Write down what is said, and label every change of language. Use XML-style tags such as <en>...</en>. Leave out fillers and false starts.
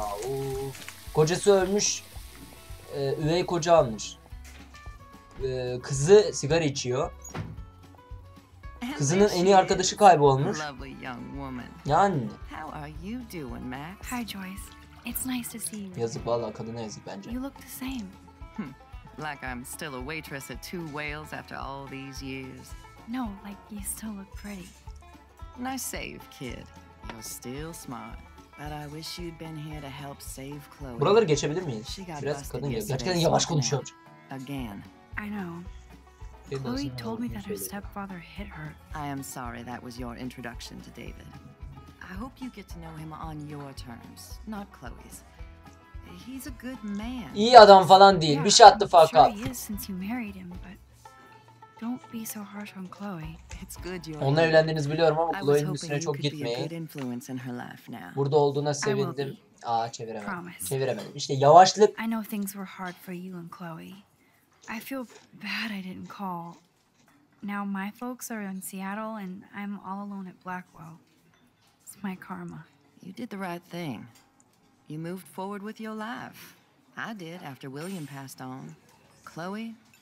<tr>Of. Kocası ölmüş. Üvey koca almış. Kızı sigara içiyor. Kızının en iyi arkadaşı kaybolmuş. Yani.</tr> <en>How are you doing, Max? Hi Joyce. It's nice to see you.</en> <tr>Yazık valla kadına yazık bence.</tr> <en>You look the same. Like I'm still a waitress at Two Whales after all these years. No, like you still look pretty. Nice save, kid. You're still smart. But I wish you'd been here to help save Chloe.</en> <tr>Buraları geçebilir miyiz? Biraz kadın yazık. Gerçekten yavaş konuşuyor.</tr> <en>Again. I know. Chloe told me that her stepfather hit her. I am sorry that was your introduction to David. I hope you get to know him on your terms, not Chloe's. He's a good man.</en> <tr>İyi adam falan değil. Bir şey attı</tr> <en>fuck up. Sure he is since you married him, but don't be so harsh on Chloe. It's good you're.</en> <tr>Onunla evlendiğinizi biliyorum ama Chloe'nin üstüne çok gitmeyin. Burada olduğuna sevindim. Aa çeviremedim. Çeviremedim. İşte yavaşlık.</tr> <en>I know things were hard for you and Chloe. I feel bad I didn't call. Now my folks are in Seattle and I'm all alone at Blackwell. My karma. You did the right thing. You moved forward with your life. I did after William passed on. Chloe?</en>